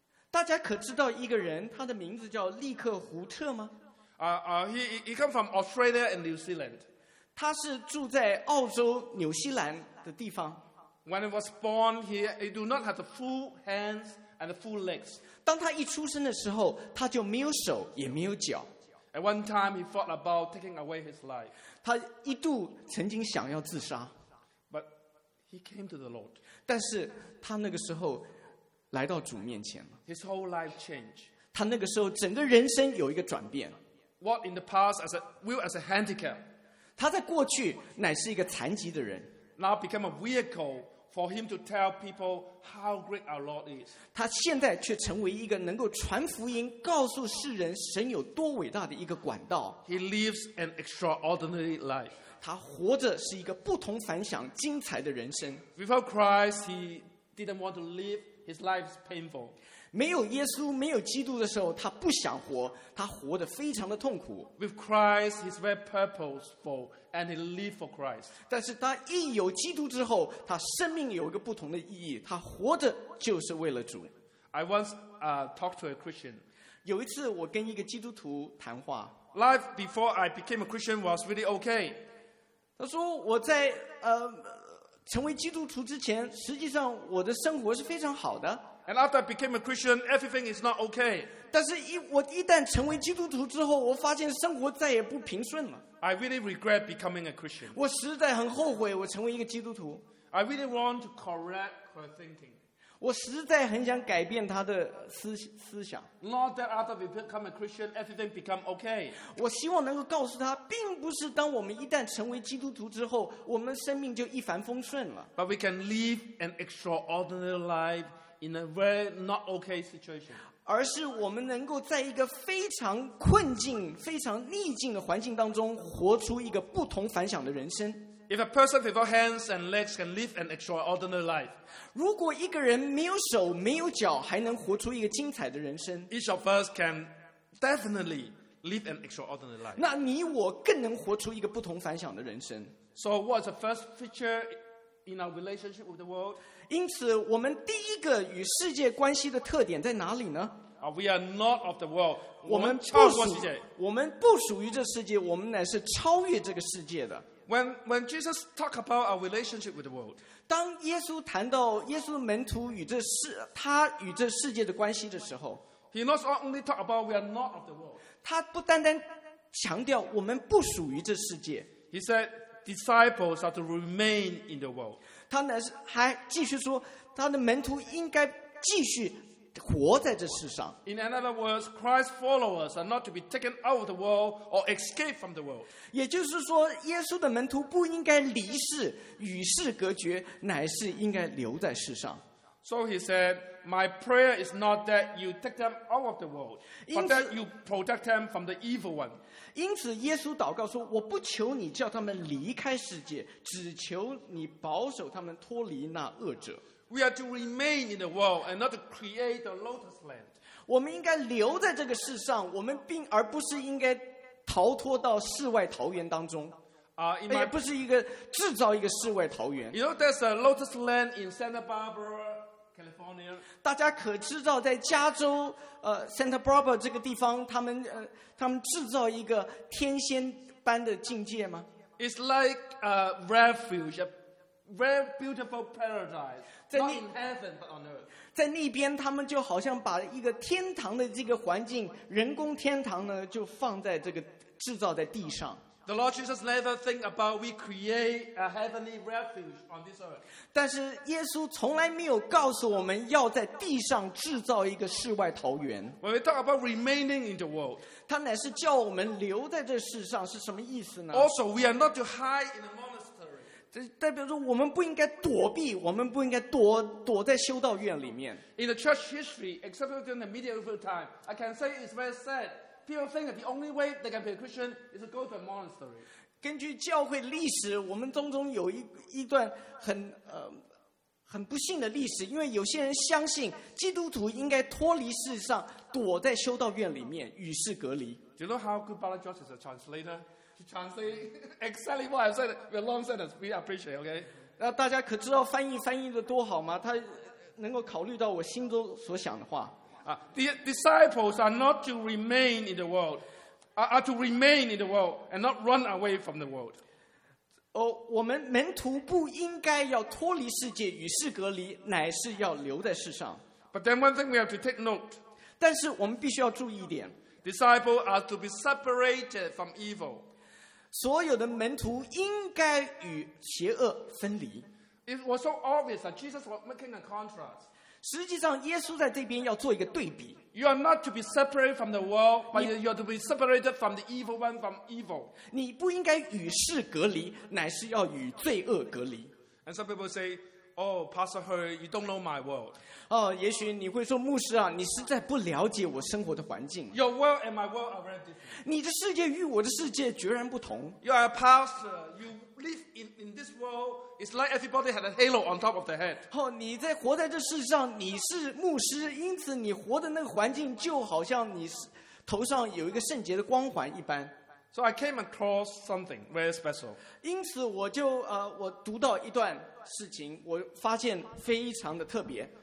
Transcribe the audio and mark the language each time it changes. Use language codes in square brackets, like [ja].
[zh] 大家可知道一个人，他的名字叫利克胡彻吗？ [en] He come from Australia and New Zealand. [zh] 他是住在澳洲、纽西兰的地方。 [en] When he was born, he do not have the full hands and the full legs. [zh] 当他一出生的时候，他就没有手，也没有脚。 [en] At one time, he thought about taking away his life. [zh] 他一度曾经想要自杀。 [en] But he came to the Lord. [zh] 但是他那个时候来到主面前了。 [en] His whole life changed. [zh] 他那个时候整个人生有一个转变。 [en] What in the past as a will as a handicap? [zh] 他在过去乃是一个残疾的人。 [en] Now become a vehicle for him to tell people how great our Lord is. [zh] 他现在却成为一个能够传福音、告诉世人神有多伟大的一个管道。 [en] He lives an extraordinary life. [zh] 他活着是一个不同凡响、精彩的人生。 [en] Without Christ, he didn't want to live. His life is painful. [zh] 没有耶稣，没有基督的时候，他不想活，他活得非常的痛苦。 [en] With Christ, he's very purposeful and he lives for Christ. [zh] 但是他一有基督之后，他生命有一个不同的意义，他活着就是为了主。 [en] I once talked to a Christian. [zh] 有一次我跟一个基督徒谈话。 [en] Life before I became a Christian was really okay. [zh] 他说我在成为基督徒之前，实际上我的生活是非常好的。 [en] And after I became a Christian, everything is not okay. [zh] 但是我一旦成为基督徒之后，我发现生活再也不平顺了。 [en] I really regret becoming a Christian. [zh] 我实在很后悔我成为一个基督徒。 [en] I really want to correct her thinking. [zh] 我实在很想改变她的思想。 [en] Not that after we become a Christian, everything become okay. [zh] 我希望能够告诉她，并不是当我们一旦成为基督徒之后，我们生命就一帆风顺了。 [en] But we can live an extraordinary life. In a very not okay situation. [zh] 而是我们能够在一个非常困境、非常逆境的环境当中，活出一个不同凡响的人生。 [en] If a person without hands and legs can live an extraordinary life, [zh] 如果一个人没有手、没有脚，还能活出一个精彩的人生， [en] each of us can definitely live an extraordinary life. [zh] 那你我更能活出一个不同凡响的人生。 [en] So what's the first feature in our relationship with the world? [zh] 因此我们第一个与世界关系的特点在哪里呢？ [en] We are not of the world. [zh] 我们不属于这世界，我们乃是超越这个世界的。 [en] When Jesus talked about our relationship with the world, [zh] 当耶稣谈到耶稣门徒与这世他与这世界的关系的时候， [en] He not only talked about we are not of the world. [zh] 他不单单强调我们不属于这世界。 [en] He said disciples are to remain in the world. [zh] 他乃是还继续说，他的门徒应该继续活在这世上。 [en] In other words, Christ followers are not to be taken out of the world or escape from the world. [zh] 也就是说，耶稣的门徒不应该离世、与世隔绝，乃是应该留在世上。 [en] So he said, "My prayer is not that you take them out of the world, but that you protect them from the evil one." [zh] 因此，耶稣祷告说：“我不求你叫他们离开世界，只求你保守他们脱离那恶者。” [en] We are to remain in the world and not to create the lotus land. [zh] 我们应该留在这个世上，我们并而不是应该逃脱到世外桃源当中。也不是一个制造一个世外桃源。 [en] You know, there's a lotus land in Santa Barbara. California. [zh] 大家可知道在加州Santa Barbara 这个地方他们制造一个天仙般的境界吗？ [en] It's like a refuge, a very beautiful paradise, not in heaven but on earth. [zh] 在那边他们就好像把一个天堂的这个环境，人工天堂呢，就放在这个制造在地上。 [en] The Lord Jesus never think about we create a heavenly refuge on this earth. [zh] 但是耶稣从来没有告诉我们要在地上制造一个世外桃源。 [en] When we talk about remaining in the world, [zh] 他乃是叫我们留在这世上，是什么意思呢？ [en] Also, we are not to hide in a monastery. [zh] 这代表着我们不应该躲避，我们不应该躲在修道院里面。 [en] In the church history, except during the medieval time, I can say it's very sad. People think the only way they can be a Christian is to go to a monastery. [zh] 根据教会历史，我们当中有一段很不幸的历史，因为有些人相信基督徒应该脱离世上，躲在修道院里面与世隔离。 [en] Do you know how good Brother Josh is a translator? He translates exactly what I've said. We're long sentence. We appreciate, okay? [zh] 那大家可知道翻译翻译的多好吗？他能够考虑到我心中所想的话。 [en] The disciples are not to remain in the world, are to remain in the world and not run away from the world. [zh] 我们门徒不应该要脱离世界与世隔离，乃是要留在世上。 [en] But then one thing we have to take note. [zh] 但是我们必须要注意一点。 [en] Disciples are to be separated from evil. [zh] 所有的门徒应该与邪恶分离。 [en] It was so obvious that Jesus was making a contrast. [zh] 实际上耶稣在这边要做一个对比。 [en] You are not to be separated from the world, but you are to be separated from the evil one, from evil. [zh] 你不应该与世隔离，乃是要与罪恶隔离。 [en] And some people say, oh, Pastor Hurry, you don't know my world. [zh] 也许你会说，牧师啊，你实在不了解我生活的环境。 [en] Your world and my world are very different. [zh] 你的世界与我的世界决然不同。 [en] You are a pastor, you live in this world. It's like everybody had a halo on top of their head. [zh] 你在活在这世上，你是牧师，因此你活的那个环境就好像你头上有一个圣洁的光环一般。 [en] So I came across something very special. [zh] 因此我就我读到一段事情，我发现非常的特别。